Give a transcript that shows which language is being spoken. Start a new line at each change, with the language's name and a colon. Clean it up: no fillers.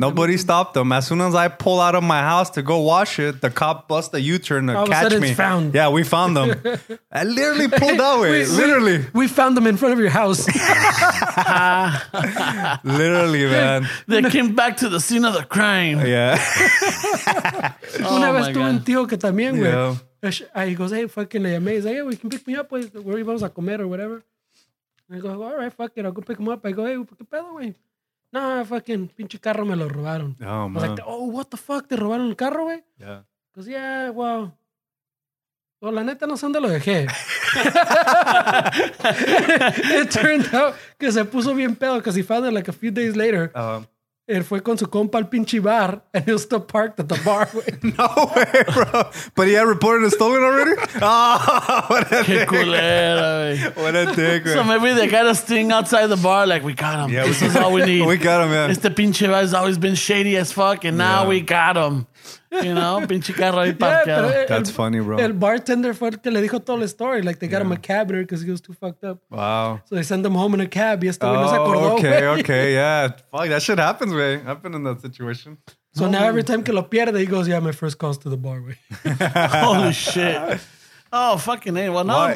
English: Nobody stopped them. As soon as I pull out of my house to go wash it, the cop bust a U-turn to catch me. Found. Yeah, we found them. I literally pulled that way. We found them in front of your house. Literally, man. They came back to the scene of the crime. Yeah.
Spanish: Una vez tuve un tío que también, güey.
English: He goes, hey, fucking,
Spanish: le llamé.
English: He's like, yeah, we can pick me up, güey. Where
Spanish: vamos a comer
English: or whatever. And I go, all right, fuck it. I'll go pick him up. I go, hey,
Spanish: ¿qué pedo, güey? No,
English: fucking,
Spanish: pinche carro me lo robaron.
English: Oh, man. I was like, oh, what the fuck?
Spanish: ¿Te robaron el carro, güey?
English: Yeah. He goes, yeah, well.
Spanish: Well, la neta, no sé dónde lo dejé.
English: It turned out
Spanish: que se puso bien pedo
English: because he found it like a few days later.
Spanish: Él fue con su compa al pinche bar
English: and he was still parked at the bar. No way, bro. But he had reported it stolen already? Oh, what a dick.
Spanish: Culera,
English: what a dick, so maybe they got a sting outside the bar like, we got him. Yeah, this is all we need. We got him, yeah.
Spanish: Este pinche
English: bar has always been shady as fuck and now we got him.
Spanish: You know, pinche carro ahí parqueado.
English: That's funny, bro.
Spanish: El bartender fue el que le dijo toda la story.
English: Like, they got him a cab there because he was too fucked up. Wow. So they send him home in a cab.
Spanish: Y este güey no se acordó,
English: okay, okay, yeah. Fuck, that shit happens, güey. Happened in that situation. So now every time
Spanish: que lo pierde,
English: he goes, yeah, my first call's to the bar, güey. Holy shit. Oh, fucking A. Well, no. Well,